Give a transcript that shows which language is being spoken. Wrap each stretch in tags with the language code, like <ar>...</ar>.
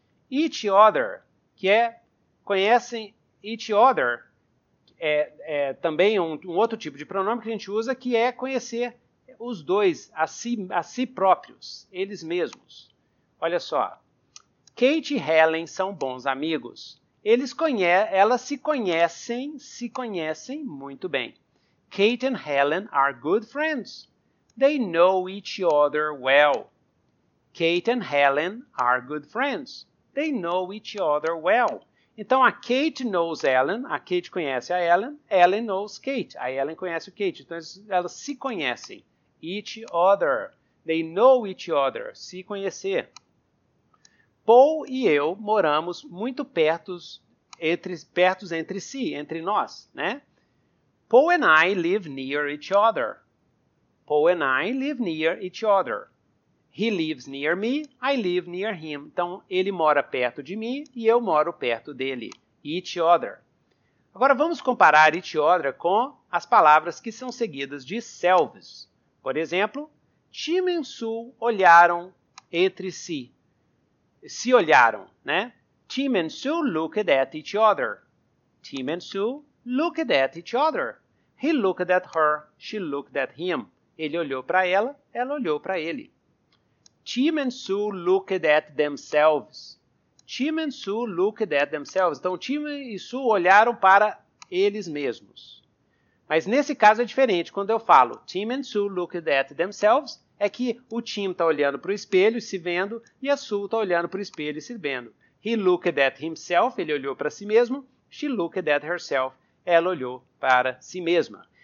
<pt>Each other, que é, conhecem each other, é também um outro tipo de pronome que a gente usa, que é conhecer os dois, a si próprios, eles mesmos. Olha só, Kate e Helen são bons amigos. Elas se conhecem muito bem.</pt> <en>Kate and Helen are good friends. They know each other well. Kate and Helen are good friends. They know each other well.</en> <pt>Então, a</pt> <en>Kate knows Helen.</en> <pt>A Kate conhece a Helen. Helen knows Kate. A Helen conhece o Kate. Então, elas se conhecem.</pt> <en>Each other. They know each other.</en> <pt>Se conhecer. Paul e eu moramos muito perto entre nós, né?</pt> <en>Paul and I live near each other. Paul and I live near each other. He lives near me, I live near him.</en> <pt>Então, ele mora perto de mim e eu moro perto dele. Each other. Agora, vamos comparar each other com as palavras que são seguidas de selves. Por exemplo, Tim e Sue olharam entre si. Se olharam, né?</pt> <en>Tim and Sue looked at each other. Tim and Sue looked at each other. He looked at her, she looked at him.</en> <pt>Ele olhou para ela olhou para ele.</pt> <en>Tim and Sue looked at themselves. Tim and Sue looked at themselves.</en> <pt>Então, Tim e Sue olharam para eles mesmos. Mas nesse caso é diferente. Quando eu falo</pt> <en>Tim and Sue looked at themselves,</en> <pt>é que o Tim está olhando para o espelho e se vendo, e a Sue está olhando para o espelho e se vendo.</pt> <en>He looked at himself,</en> <pt>ele olhou para si mesmo.</pt> <en>She looked at herself,</en> <pt>ela olhou para si mesma.</pt>